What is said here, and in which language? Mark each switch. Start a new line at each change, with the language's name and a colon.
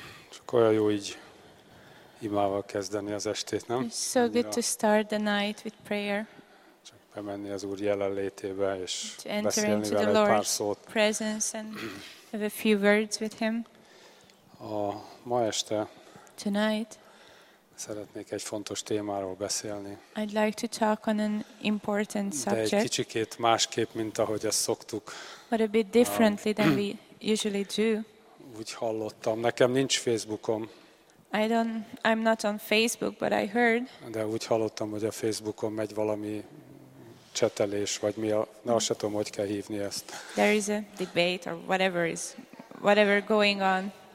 Hungarian: Csak olyan jó így imával kezdeni az estét, nem?
English: It's so good to start the night with prayer.
Hungarian: Csak bemenni az Úr jelenlétébe, és beszélni vele egy pár szót.
English: Presence and have a few words with him.
Hungarian: A ma este
English: tonight
Hungarian: szeretnék egy fontos témáról beszélni.
English: I'd like to talk on an important subject.
Hungarian: De egy kicsikét másképp, mint ahogy ezt szoktuk.
English: But a bit differently than we usually do.
Hungarian: Úgy hallottam, nekem nincs Facebookom.
English: I'm not on Facebook, but I heard.
Hungarian: De úgy hallottam, hogy a Facebookon megy valami csetelés, vagy mi a, na, se tudom, hogy kell hívni ezt.
English: There is a debate or whatever going on.